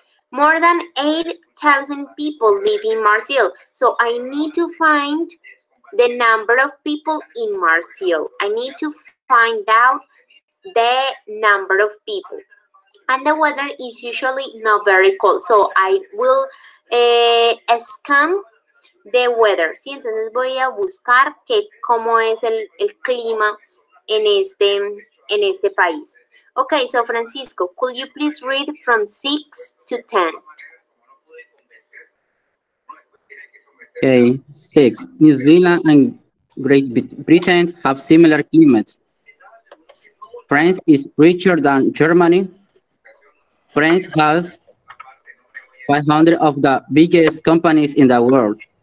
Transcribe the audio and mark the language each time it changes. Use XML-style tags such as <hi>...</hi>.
<en>More than 8,000 people live in Marseille. So I need to find the number of people in Marseille. I need to find out the number of people, and the weather is usually not very cold. So I will scan the weather.</en> <es>Sí, entonces voy a buscar que cómo es el clima en este país.</es> <en>Okay, so Francisco, could you please read from 6 to 10? Okay, 6. New Zealand and Great Britain have similar climates. France is richer than Germany. France has 500 of the biggest companies in the world.</en>